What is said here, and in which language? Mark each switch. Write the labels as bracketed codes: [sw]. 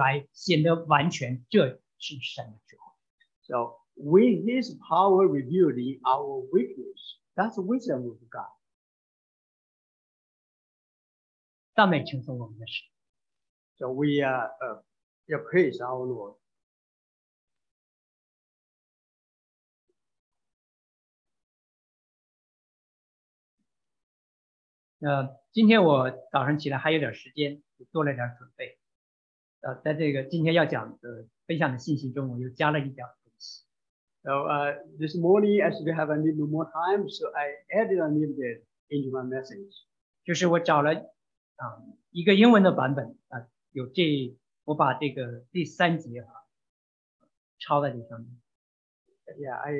[zh] 让他的能力在我们这些软弱的器皿上彰显出来，显得完全，这是神的智慧。 [en] So, with his power revealed in our weakness, that's the wisdom of God. [zh] 赞美称颂我们的神。 [en] So we praise our Lord. [zh] 今天我早上起来还有点时间，做了点准备。在这个今天要讲的分享的信息中，我又加了一点东西。 [en] So this morning, I should have a little more time, so I added a little bit into my message. [zh] 就是我找了一个英文的版本，我把这个第三节抄在这上面。 [en] Yeah,